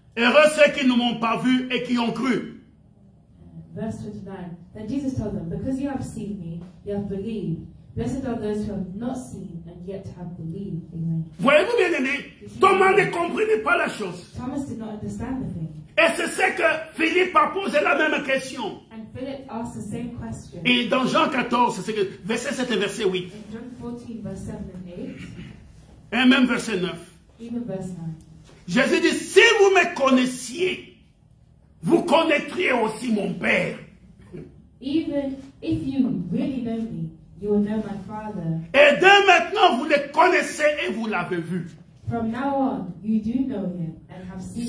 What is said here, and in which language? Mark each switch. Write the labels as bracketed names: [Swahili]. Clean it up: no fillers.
[French] Heureux ceux qui ne m'ont pas vu et qui ont cru. [English] Verse 29. Then Jesus told them, because you have seen me, you have believed. Blessed are those who have not seen and yet have believed. Amen. [French] Voyez-vous bien, aîné? Thomas ne comprenait pas la chose. [English] Thomas did not understand the thing. [French] Et c'est ce que Philippe a posé la même question. [English] And Philip asked the same question. [French] Et dans Jean 14, c'est que, verset 7 et verset 8. [English] In John 14, verse 7 and 8. [French] Et même verset 9. [English] Even verse 9. [French] Jésus dit, si vous me connaissiez, vous connaîtriez aussi mon Père. [English] Even if you really know me, you will know my Father. [French] Et dès maintenant, vous le connaissez et vous l'avez vu. [English] From now on, you do know him and have seen him.